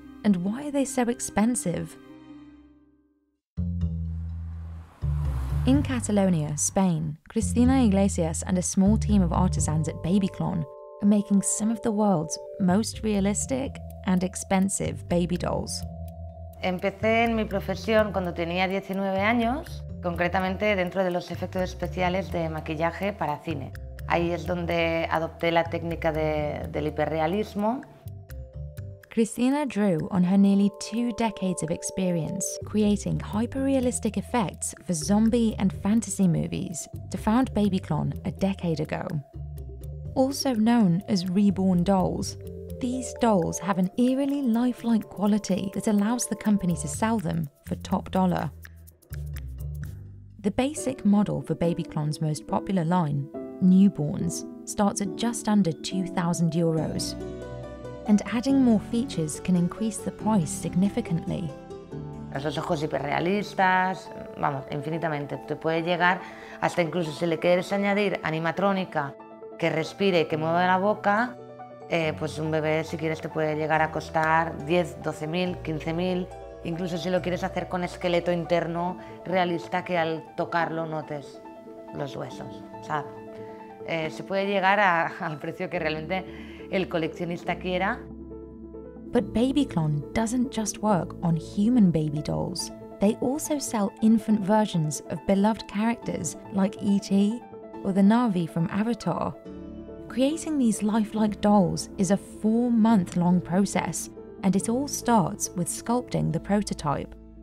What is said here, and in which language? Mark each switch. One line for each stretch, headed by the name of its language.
English: And why are they so expensive? In Catalonia, Spain, Cristina Iglesias and a small team of artisans at Babyclon are making some of the world's most realistic and expensive baby dolls.
Spanish: Empecé en mi profesión cuando tenía 19 años, concretamente dentro de los efectos especiales de maquillaje para cine. Ahí es donde adopté la técnica del hiperrealismo.
English: Cristina drew on her nearly two decades of experience creating hyper-realistic effects for zombie and fantasy movies to found Babyclon a decade ago. Also known as Reborn dolls, these dolls have an eerily lifelike quality that allows the company to sell them for top dollar. The basic model for Babyclon's most popular line, Newborns, starts at just under 2,000 euros. And adding more features can increase the price significantly.
Spanish: Esos ojos hiperrealistas, vamos, infinitamente. Te puede llegar hasta incluso si le quieres añadir animatrónica que respire, que mueva la boca, pues un bebé, si quieres, te puede llegar a costar 10, 12 mil, 15 mil. Incluso si lo quieres hacer con esqueleto interno realista que al tocarlo notes los huesos. O sea, se puede llegar al precio que realmente el coleccionista quiera.
English: But Babyclon doesn't just work on human baby dolls. They also sell infant versions of beloved characters like E.T. or the Na'vi from Avatar. Creating these lifelike dolls is a four-month-long process, and it all starts with sculpting the prototype.